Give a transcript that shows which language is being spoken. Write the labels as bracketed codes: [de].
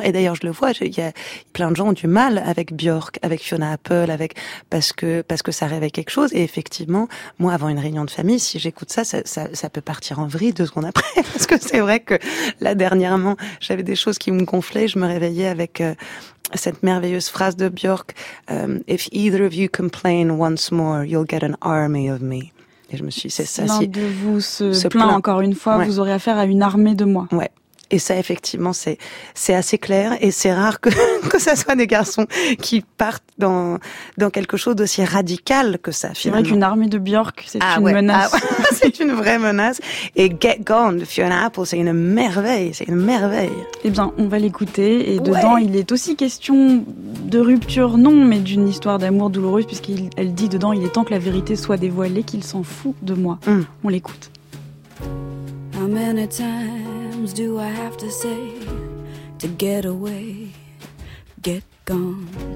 [fr] Et d'ailleurs, je le vois, il y a plein de gens ont du mal avec Björk, avec Fiona Apple, parce que ça réveille quelque chose. Et effectivement, moi, avant une réunion de famille, si j'écoute ça peut partir en vrille 2 secondes après. Parce que c'est vrai que là, dernièrement, j'avais des choses qui me gonflaient. Je me réveillais avec cette merveilleuse phrase de Björk. [en] If either of you complain once more, you'll get an army of me. [fr] Et je me suis dit, c'est ça. Si l'un de vous se plaint encore une fois, ouais, vous aurez affaire à une armée de moi. Ouais. Et ça, effectivement, c'est assez clair. Et c'est rare que ça soit des garçons qui partent dans quelque chose d'aussi radical que ça, finalement. C'est vrai qu'une armée de Björk, c'est une menace. C'est une vraie menace. Et Get Gone, Fiona Apple, c'est une merveille. C'est une merveille. Eh bien, on va l'écouter. Et dedans, ouais, il est aussi question de rupture, non, mais d'une histoire d'amour douloureuse, puisqu'elle dit dedans, il est temps que la vérité soit dévoilée, qu'il s'en fout de moi. On l'écoute. [en] How many times do I have to say to get away, get gone?